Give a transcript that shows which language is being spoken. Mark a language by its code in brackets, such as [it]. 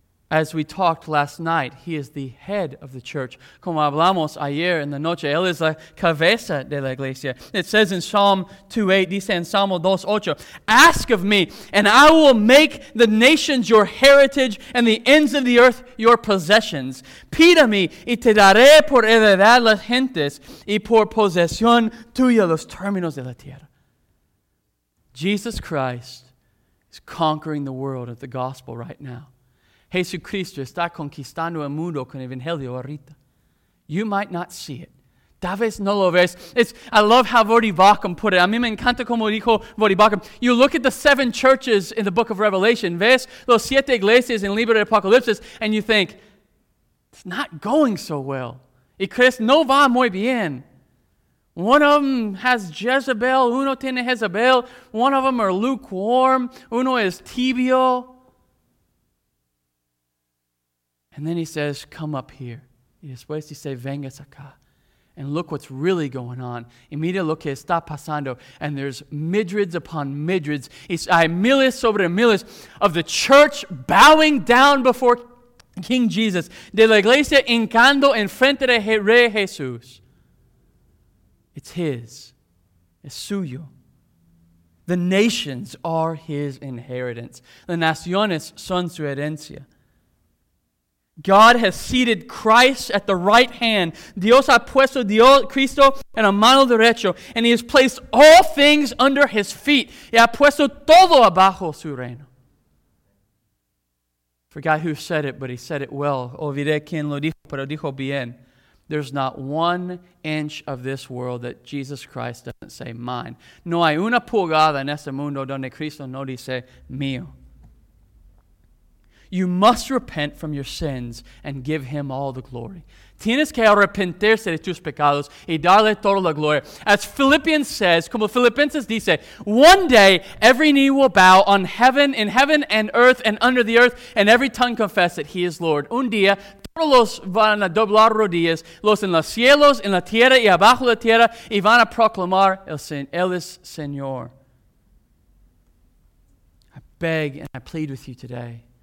[en] As we talked last night, he is the head of the church. [es] Como hablamos ayer en la noche, él es la cabeza de la iglesia. [en] It says in Psalm 2:8, [es] dice en Salmo 2:8, [en] ask of me, and I will make the nations your heritage and the ends of the earth your possessions. [es] Pídame, y te daré por heredad las gentes y por posesión tuya los términos de la tierra. [en] Jesus Christ is conquering the world at the gospel right now. [es] Jesucristo está conquistando el mundo con el Evangelio ahorita. [en] You might not see it. [es] Tal vez no lo ves. [en] I love how Vodibakum put it. [es] A mí me encanta como dijo Vodibakum. [en] You look at the seven churches in the book of Revelation. [es] Ves los siete iglesias en el libro de Apocalipsis. [en] And you think, it's not going so well. [es] Y crees, no va muy bien. [en] One of them has Jezebel, [es] uno tiene Jezebel, [en] one of them are lukewarm, [es] uno es tibio. [en] And then he says, come up here. [es] Y después dice, vengas acá. [en] And look what's really going on. [es] Y mira lo que está pasando. [en] And there's midrids upon midrids. [es] Hay miles sobre miles [en] of the church bowing down before King Jesus. [es] De la iglesia hincando en frente de Rey Jesús. [en] It's his. [es] Es suyo. [en] The nations are his inheritance. [es] The naciones son su herencia. [en] God has seated Christ at the right hand. [es] Dios ha puesto Dios, Cristo en la mano derecha. [en] And he has placed all things under his feet. [es] Y ha puesto todo abajo su reino. [en] Forgot who said it, but he said it well. [es] Olvidé quien lo dijo, pero dijo bien. [en] There's not one inch of this world that Jesus Christ doesn't say mine. [es] No hay una pulgada en este mundo donde Cristo no dice mío. [en] You must repent from your sins and give him all the glory. [es] Tienes que arrepentirse de tus pecados y darle toda la gloria. [en] As Philippians says, [es] como Filipenses dice, [en] one day every knee will bow on heaven, in heaven and earth and under the earth, and every tongue confess that he is Lord. [es] Un día todos los van a doblar rodillas, los en los cielos, en la tierra y abajo la tierra, y van a proclamar él es Señor. [en] I beg and I plead with you today.